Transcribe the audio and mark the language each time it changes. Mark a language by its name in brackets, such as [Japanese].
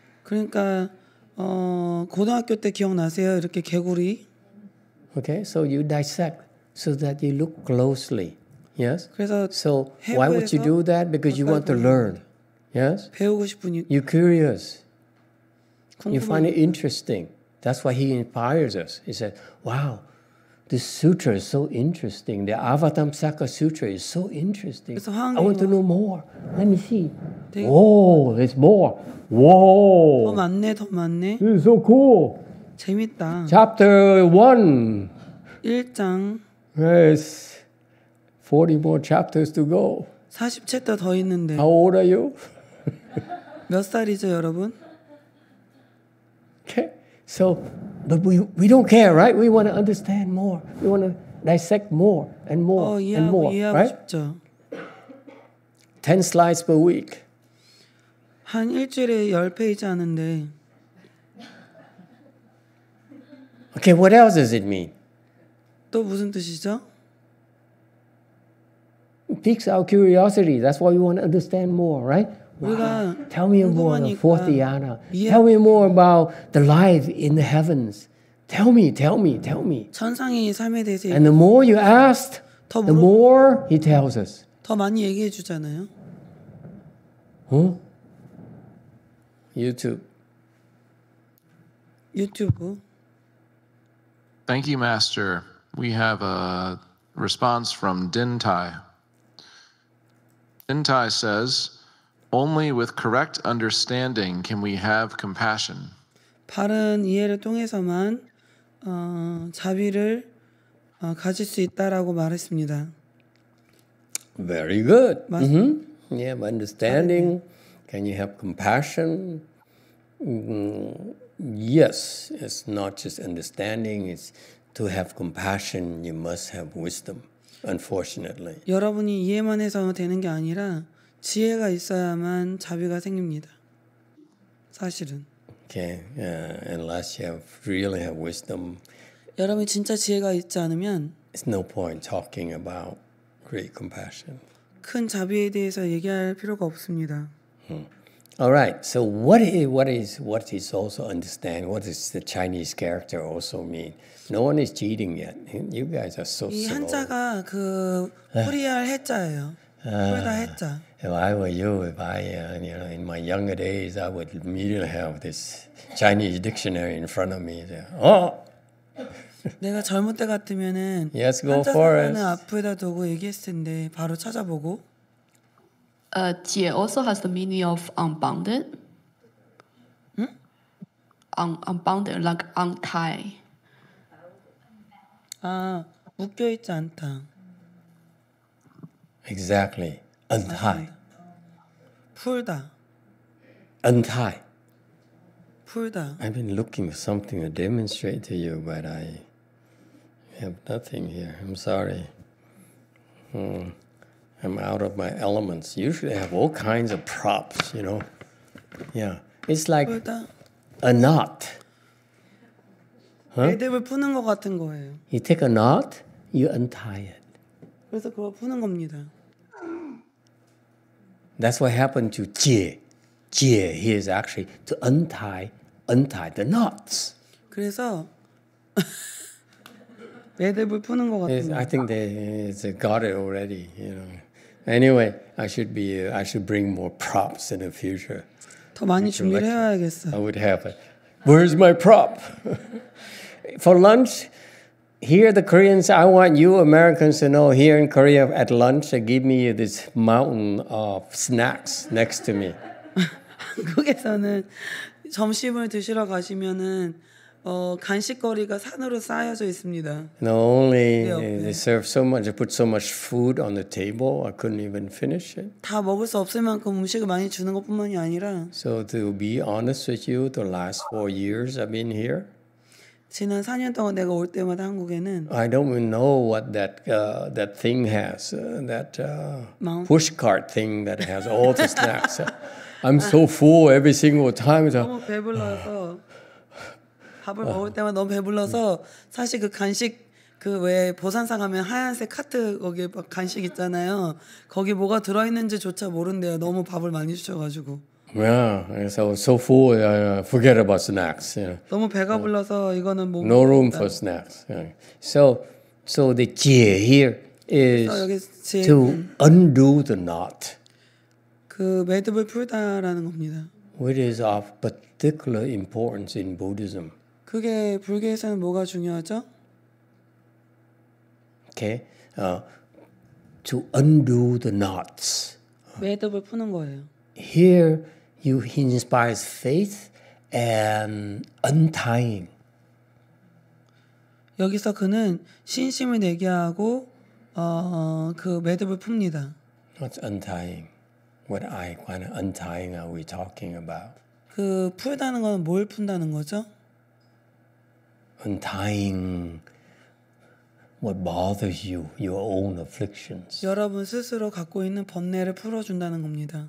[Korean] 그러니까 고등학교 때 기억나세요? 이렇게 개구리. [English] Okay, so you dissect so that you look closely. Yes? [Korean] 그래서 [English] so why would you do that? Because you want to learn. Yes? [Korean] 배우고 싶으니 [English] You're curious. You find it interesting. That's why he inspires us. He said, wow, this sutra is so interesting. The Avatamsaka Sutra is so interesting. I want to know more. Let me see. Whoa, there's more. Whoa. [Korean] 더 많네, 더 많네. [English] This is so cool. [Korean] 재밌다. [English] Chapter 1. [Korean] 1장. [English] Yes. 40 more chapters to go. [Korean] 40챕터 더 있는데. [English] How old are you? [Korean] 몇 살이죠, 여러분? [English] Okay. So, but we don't care, right? We want to understand more. We want to dissect more and more and more, right? [Korean] 싶죠. [English] 10 slides per week. [Korean] 한 일주일에 열 페이지 하는데. [English] Okay, what else does it mean? [Korean] 또 무슨 뜻이죠? [English] It piques our curiosity. That's why we want to understand more, right? Wow. Tell me more about the fourth dhyana. Tell me more about the life in the heavens. Tell me. [Korean] 천상의 삶에 대해서. [English] And the more you ask, the more he tells us. [Korean] 더 많이 얘기해 주잖아요. [English] Huh? YouTube. Thank you, Master. We have a response from Dintai. Dintai says, only with correct understanding can we have compassion. [Korean] 바른 이해를 통해서만 자비를 가질 수 있다라고 말했습니다. [English] Very good. Mm-hmm. Yeah, by understanding, can you have compassion? Yes, it's not just understanding, it's to have compassion, you must have wisdom. Unfortunately. [Korean] 여러분이 이해만 해서 되는 게 아니라 지혜가 있어야만 자비가 생깁니다. 사실은. [English] Okay. Yeah. Unless you really have wisdom. [Korean] 여러분이 진짜 지혜가 있지 않으면 [English] it's no point talking about great compassion. [Korean] 큰 자비에 대해서 얘기할 필요가 없습니다. [English] All right. So what is also understand? What does the Chinese character also mean? No one is cheating yet. You guys are so slow. [Korean] 이 한자가 그 코리아 해자예요. 코리아 해자. [English] If I were you, in my younger days, I would immediately have this Chinese dictionary in front of me. So, oh. [Korean] 내가 젊을 때 같으면은 [English] yes, go for it. [Korean] 한자는 앞에다 두고 얘기했을 텐데 바로 찾아보고. [English] 지혜 also has the meaning of unbounded. Unbounded, like untied. [Korean] 아, 묶여 있지 않다. [English] Exactly. Untied. [Korean] 풀다. [English] Untied. [Korean] 풀다. [English] I've been looking for something to demonstrate to you, but I have nothing here. I'm sorry. I'm out of my elements. Usually I have all kinds of props, you know. Yeah. It's like [Korean] 풀다. [English] A knot. Huh? [Korean] 애들을 푸는 것 같은 거예요. [English] You take a knot, you untie it. [Korean] 그래서 그걸 푸는 겁니다. [English] That's what happened to 지혜. 지혜, he is actually to untie the knots. [Korean] 그래서 애들을 푸는 것 같은 거예요. [English] I think they got it already. You know. Anyway, I should bring more props in the future. [Korean] 더 많이 준비를 해야겠어요. [English] I would have it. Where's my prop? For lunch, here the Koreans, I want you Americans to know, here in Korea at lunch, they give me this mountain of snacks next to me. [Korean] 한국에서는 점심을 드시러 가시면은 간식거리가 산으로 쌓여져 있습니다. [English] Not only they serve so much, they put so much food on the table, I couldn't even finish it. [Korean] 다 먹을 수 없을 만큼 음식을 많이 주는 것뿐만이 아니라 [English] So to be honest with you, the last 4 years I've been here, [Korean] 지난 4년 동안 내가 올 때마다 한국에는 [English] I don't even know what that that thing has that push cart thing that has all the snacks. I'm so full every single time. [Korean] 너무 배불러서 밥을 먹을 때마다 너무 배불러서 사실 그 간식 그 외에 보산사 가면 하얀색 카트 거기 막 간식 있잖아요. 거기 뭐가 들어 있는지조차 모른대요. 너무 밥을 많이 주셔 가지고. [English] Yeah, so full. Forget about snacks. You know. [Korean] 너무 배가 불러서 이거는 뭐 [English] No room for snacks. So the 지혜 here is to undo the knot. [Korean] 그 매듭을 풀다라는 겁니다. [English] Which is of particular importance in Buddhism. [Korean] 그게 불교에서는 뭐가 중요하죠? [English] Okay, to undo the knots. [Korean] 매듭을 푸는 거예요. [English] Here, he inspires faith and untying. [Korean] 여기서 그는 신심을 내게 하고 그 매듭을 풉니다. [English] What's untying? What I kind of untying are we talking about? [Korean] 그 풀다는 건 뭘 푼다는 거죠? [English] Untying. What bothers you? Your own afflictions. [Korean] 여러분 스스로 갖고 있는 번뇌를 풀어준다는 겁니다.